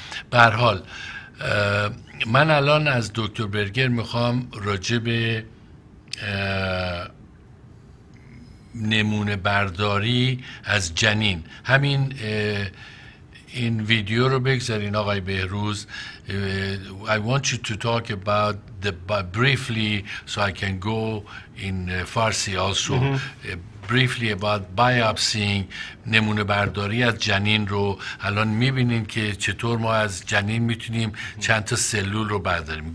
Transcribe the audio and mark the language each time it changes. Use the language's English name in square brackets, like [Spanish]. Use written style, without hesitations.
[Persian] به هر حال من الان از دکتر برگر میخوام راجع به نمونه برداری از جنین، همین این ویدیو رو بگذارین آقای بهروز. [English] I want you to talk about the briefly so I can go in Farsi also briefly about biopsying. [Persian] نمونه برداری از جنین رو الان میبینین که چطور ما از جنین میتونیم چند تا سلول رو برداریم.